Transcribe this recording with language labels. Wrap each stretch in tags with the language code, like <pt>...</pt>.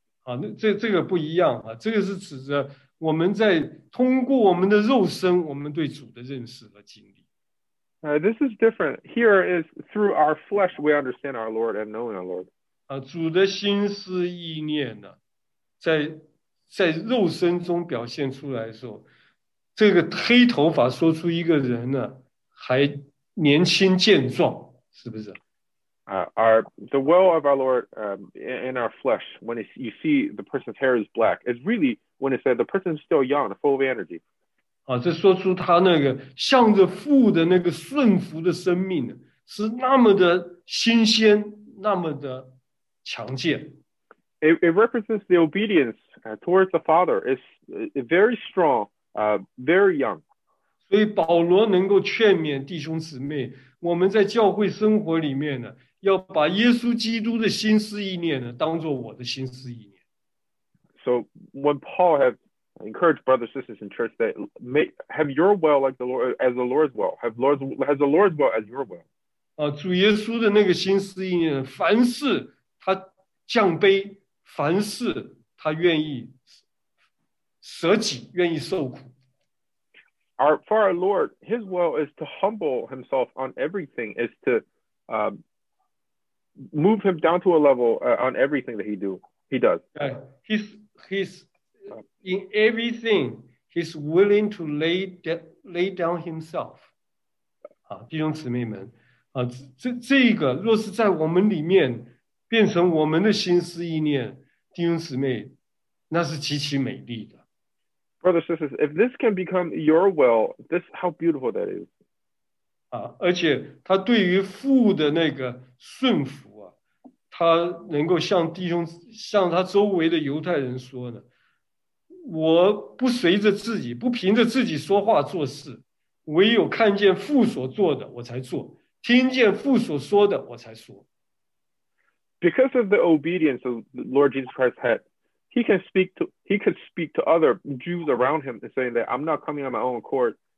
<zh>啊，那这个不一样啊，这个是指着我们在通过我们的肉身，我们对主的认识和经历。</zh> <en>This is different. Here is through our flesh we understand our Lord and knowing our Lord.</en> <zh>啊，主的心思意念呢，在肉身中表现出来的时候。这个黑头发说出一个人呢，还年轻健壮，是不是？</zh> <en>The well of our Lord, in our flesh, when you see the person's hair is black, is really when it said the person's still young, full of energy.</en> <zh>啊，这说出他那个向着父的那个顺服的生命呢，是那么的新鲜，那么的强健。</zh> <en>It represents the obedience towards the Father. It's very strong. Very young.</en> <zh>所以保罗能够劝勉弟兄姊妹，我们在教会生活里面呢，要把耶稣基督的心思意念呢，当作我的心思意念。</zh> <en>So when Paul has encouraged brothers and sisters in church that have your will like the Lord as the Lord's will, has the Lord's will as your will.</en> <zh>啊，主耶稣的那个心思意念，凡事他降卑，凡事他愿意。舍己，愿意受苦。</zh> <en>For our Lord, His will is to humble Himself on everything, is to move Him down to a level on everything that He does. He's in everything, He's willing to lay down Himself.</en> <zh>啊，弟兄姊妹们，啊，这个若是在我们里面变成我们的心思意念，弟兄姊妹，那是极其美丽的。</zh> <en>Brothers and sisters, if this can become your will, this how beautiful that is.</en> <zh>啊，而且他对于父的那个顺服啊，他能够向弟兄、向他周围的犹太人说呢，我不随着自己，不凭着自己说话做事，唯有看见父所做的，我才做；听见父所说的，我才说。</zh> <en>Because of the obedience of the Lord Jesus Christ had. He could speak to other Jews around him and saying that I'm not coming on my own accord.</en>